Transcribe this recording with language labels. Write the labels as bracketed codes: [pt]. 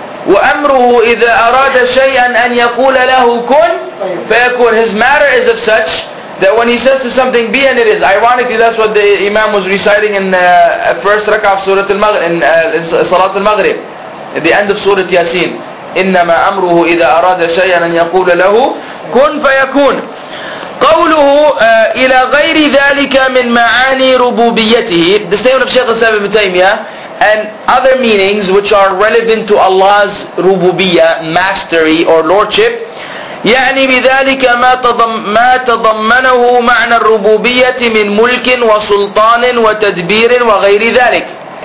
[ar] وَأَمْرُهُ إِذَا أَرَادَ شَيْئًا أَنْ يَقُولَ لَهُ كُنْ فَيَكُونَ. [en] His matter is of such that when He says to something, be and it is. Ironically, that's what the Imam was reciting in first rak'ah of Surah Al-Maghrib, in Salat Al-Maghrib, at the end of Surah Yasin. [ar] إِنَّمَا أَمْرُهُ إِذَا أَرَادَ شَيْئًا أَنْ يَقُولَ لَهُ كُنْ فَيَكُونَ. قَوْلُهُ إِلَى غَيْرِ ذَلِكَ مِنْ مَعَانِي رُبُوبِيَّتِهِ. [en] The statement of Shaykh al-Islam ibn Taymiyyah, and other meanings which are relevant to Allah's rububiyyah, mastery or lordship. [ar] يعني بذلك ما تضمنه معنى الربوبية من ملك وسلطان وتدبير وغير ذلك.